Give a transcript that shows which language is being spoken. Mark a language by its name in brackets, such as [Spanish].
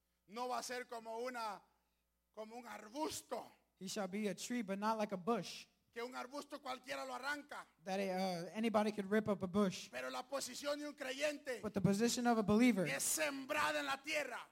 [Spanish] No va a ser como una, como un arbusto. [English] He shall be a tree, but not like a bush. [Spanish] Que un arbusto cualquiera lo arranca. [English] That anybody could rip up a bush. [Spanish] Pero la posición de un creyente. [English] But the position of a believer. [Spanish] Es sembrada en la tierra.